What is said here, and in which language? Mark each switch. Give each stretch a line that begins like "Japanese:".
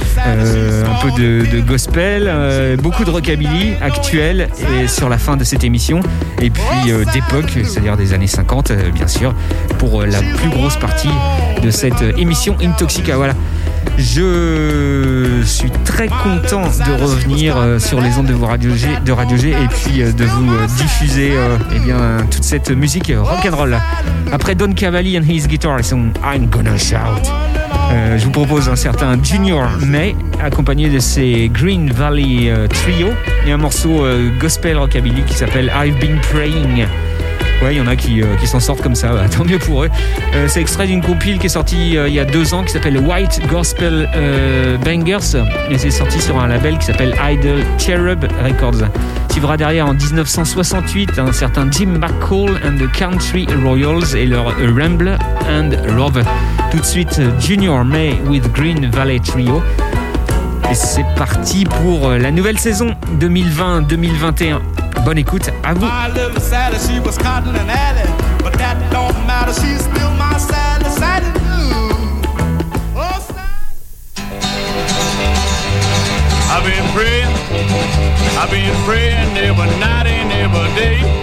French: Un peu de gospel, beaucoup de rockabilly actuel et sur la fin de cette émission, et puis d'époque, c'est-à-dire des années 50, bien sûr, pour la plus grosse partie de cette émission Intoxica. Voilà. Je suis très content de revenir sur les ondes de Radio G et puis de vous diffuser toute cette musique rock'n'roll. Après Don Cavalli and his guitar, son I'm gonna shout. Je vous propose un certain Junior May, accompagné de ses Green Valley Trio, et un morceau gospel rockabilly qui s'appelle I've Been Praying. Ouais, il y en a qui s'en sortent comme ça, tant mieux pour eux. C'est extrait d'une compile qui est sortie il y a 2 ans, qui s'appelle White Gospel Bangers, et c'est sorti sur un label qui s'appelle Idle Cherub Records. Suivra derrière en 1968 un certain Jim McCall and the Country Royals et leur Rambler and Rover. Tout de suite, Junior May with Green Valley Trio. Et c'est parti pour la nouvelle saison 2020-2021. Bonne écoute à vous.
English: My little Sally, she was caught in an alley, but that don't matter, she's still my Sally, Sally Lou. Oh, Sally. I've been praying every night and every day.